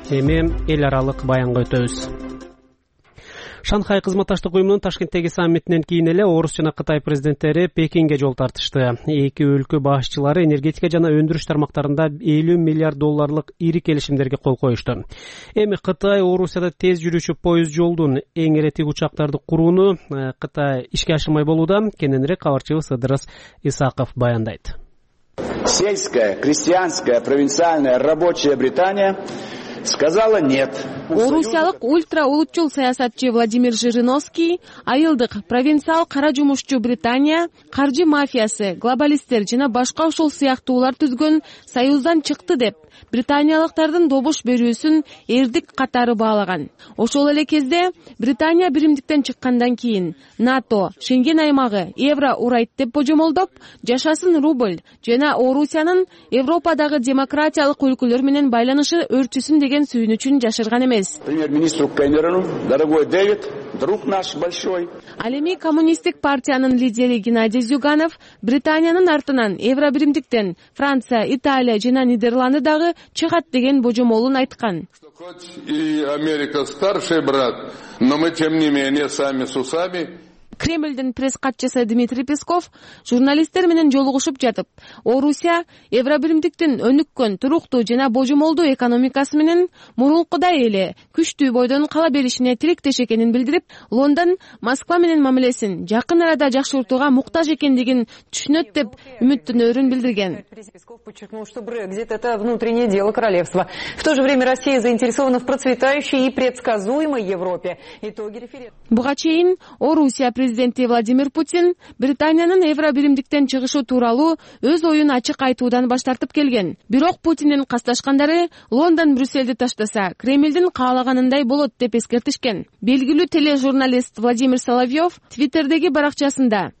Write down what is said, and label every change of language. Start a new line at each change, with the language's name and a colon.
Kyrgyz: Эми эл аралык баянга өтөбүз. Шанхай кызматташтык уюмунун Ташкенттеги саммитинен кийин эле Орус жана Кытай президенттери Пекинге жол тартышты. Эки өлкө башчылары энергетика жана өндүрүш тармактарында 50 миллиард долларлык ири келишимдерге кол коюшту. Эми Кытай Орусияда тез жүрүүчү поезд жолдун эң ири тик учактарды курууну Кытай ишке ашырмай болууда. Кененирээк кабарчыбыз Сыдырыс Исаков баяндайт.
Russian: Сельская, крестьянская, провинциальная, рабочая Британия сказала нет.
Kyrgyz: Орусиялык ультра-улутчул саясатчы Владимир Жириновский, айылдык провинциал кара жумушчу Британия, каржы мафиясы, глобалисттер жана башка ушул сыяктуулар түзгөн союздан чыкты деп британиялыктардын добуш берүүсүн эрдик катары баалаган. Ошол эле кезде Британия биримдиктен чыккандан кийин НАТО, Шенген аймагы, евро урайт деп божомолдоп, жашасын рубль жана Орусиянын Европадагы демократиялык өлкөлөр менен байланышы өрчүсүн деген сүйүнүчүн жашырган эмес.
Russian: Премьер-министру Кэмерону, дорогой Дэвид, друг наш большой.
Kyrgyz: Ал эми коммунисттик партиянын лидери Геннадий Зюганов Британиянын артынан евробиримдиктен Франция, Италия жана Нидерланды дагы чыгат деген божомолун айткан.
Russian: Хоть и Америка старший брат, но мы тем не менее сами с усами.
Kyrgyz: Кремльдин пресс-катчысы Дмитрий Песков журналисттер менен жолугушуп жатып, Орусия евробиримдиктин өнүккөн, туруктуу жана божомолдуу экономикасы менен мурункудай эле күчтүү бойдон кала беришине тилектеш экенин билдирип, Лондон Москва менен мамилесин жакын арада жакшыртууга муктаж экендигин түшүнөт деп үмүттөнөрүн билдирген.
Russian: Песков подчеркнул, что Brexit это внутреннее дело королевства. В то же время Россия заинтересована в процветающей и предсказуемой Европе. Итоги референдума.
Kyrgyz: Буга чейин Орусия президенти Владимир Путин Британиянын евробиримдиктен чыгышы тууралуу өз оюн ачык айтуудан баш тартып келген. Бирок Путиндин касташкандары Лондон Брюссельди таштаса, Кремлдин каалагандай болот деп эскертишкен. Белгилүү тележурналист Владимир Соловьев Твиттердеги баракчасында: